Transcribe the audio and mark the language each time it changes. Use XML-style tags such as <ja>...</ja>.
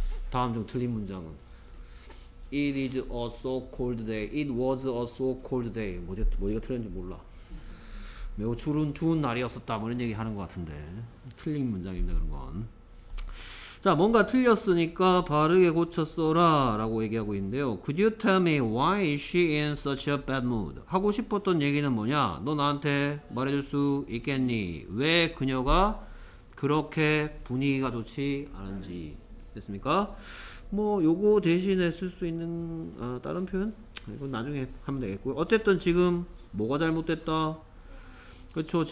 <ko>다음 중 틀린 문장은</ko> <en>It is a so cold day. It was a so cold day.</en> <ko>뭐가 틀렸는지 몰라. 매우 추운 날이었었다. 뭐 이런 얘기 하는 것 같은데 틀린 문장입니다. 그런 건. 자, 뭔가 틀렸으니까 바르게 고쳤어라 라고 얘기하고 있는데요.</ko> <en>Could you tell me why is she in such a bad mood?</en> <ko>하고 싶었던 얘기는 뭐냐? 너 나한테 말해줄 수 있겠니? 왜 그녀가 그렇게 분위기가 좋지 않은지. 됐습니까? 뭐 요거 대신에 쓸 수 있는 다른 표현? 이건 나중에 하면 되겠고요. 어쨌든 지금 뭐가 잘못됐다? 그렇죠.</ko>